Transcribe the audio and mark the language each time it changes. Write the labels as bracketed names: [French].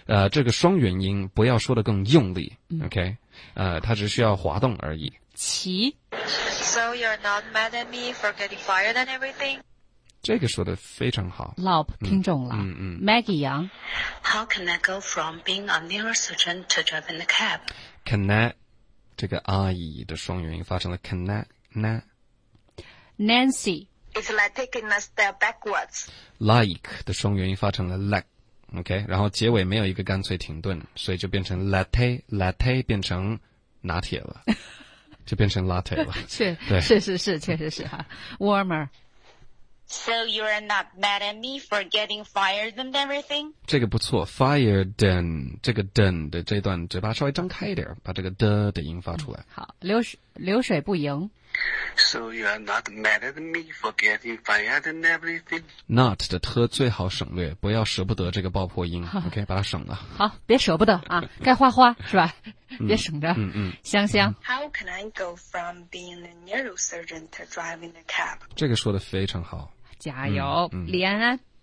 [Chinese] 这个双元音不要说的更用力 ，OK？它只需要滑动而已。齐。 [English] So you're not mad at me for getting fired and everything？ [Chinese] 这个说的非常好，老听众了。Maggie Yang， [English] How can I go from being a neurosurgeon to driving a cab？ [Chinese] Can I， 这个 I 的双元音发成了 can I， Nancy， [English] It's like taking a step backwards。 [Chinese] Like 的双元音发成了 like， OK， 然后结尾没有一个干脆停顿，所以就变成 latte， latte 变成拿铁了，就变成 latte 了。是，确实是哈。Warmer。 [English] So you're not mad at me for getting fired and everything? [Chinese] 这个不错 , [English] fired and, [Chinese] 这个 den 的这段嘴巴稍微张开一点，把这个的音发出来。好，流水不赢。 [English] So you're not mad at me for getting fired and everything? [Chinese] Not 的特最好省略，不要舍不得这个爆破音。 OK， 把它省了。好，别舍不得啊，该花花是吧，别省着。香香。 [English] How can I go from being a neurosurgeon to driving a cab? [Chinese] 这个说的非常好。加油。李安安。